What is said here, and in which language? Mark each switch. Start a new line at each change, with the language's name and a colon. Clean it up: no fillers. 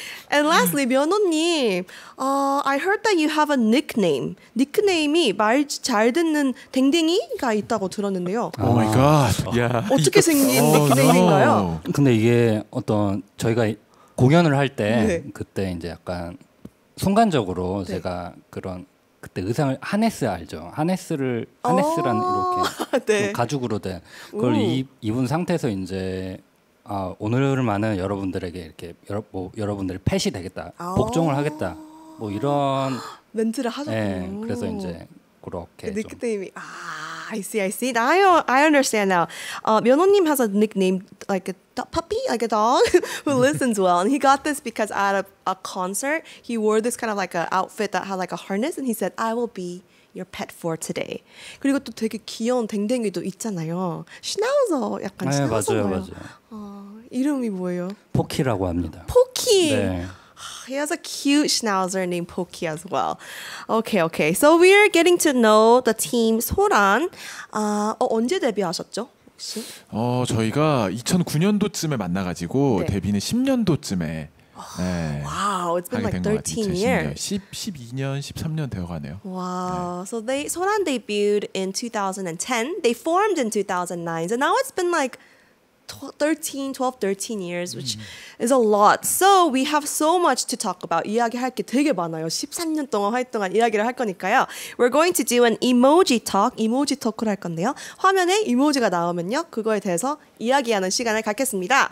English: And lastly, 변호님, I heard that you have a nickname.
Korean: 닉네임이 말 잘 듣는 댕댕이가 있다고 들었는데요.
English: Oh my god. Yeah.
Korean: 어떻게 생긴 닉네임인가요? 근데 이게 어떤 저희가 공연을 할 때 네. 그때 이제 약간 순간적으로 네. 제가 그런 그때 의상을 하네스 알죠? 하네스를 하네스라는 이렇게 네. 가죽으로 된 그걸 입은 상태에서 이제 아, 오늘만은 여러분들에게 이렇게 여러분들의 펫이 되겠다 복종을 하겠다 뭐 이런 멘트를 하셨군요. 네, 그래서 이제 그렇게 그 닉네임이 아,
English: I see. I understand now. 면호님 has a nickname like a puppy, like a dog who listens well. And he got this because at a concert, he wore this kind of like a outfit that had like a harness, and he said, "I will be your pet for today."
Korean: 그리고 또 되게 귀여운 댕댕이도 있잖아요. 시나우저 약간 네, 시나우저 맞아요, 맞아요. 이름이 뭐예요? 포키라고 합니다. 포키. 네.
English: He has a cute schnauzer named Pokey as well. Okay, okay. So we are getting to know the team Soran.
Korean: 언제 데뷔하셨죠? 혹시? 저희가 2009년도쯤에 만나가지고 네. 데뷔는 10년도쯤에
English: Wow, it's been like 13 years.
Korean: 12년, 13년 되어가네요.
English: Wow. 네. So they Soran debuted in 2010. They formed in 2009. And so now it's been like 12, 13 years, which is a lot. So we have so much to talk about.
Korean: 이야기할 게 되게 많아요. 13년 동안 활동한 이야기를 할 거니까요.
English: We're going to do an emoji talk. Emoji talk을 할 건데요.
Korean: 화면에 emoji가 나오면요. 그거에 대해서 이야기하는 시간을 갖겠습니다.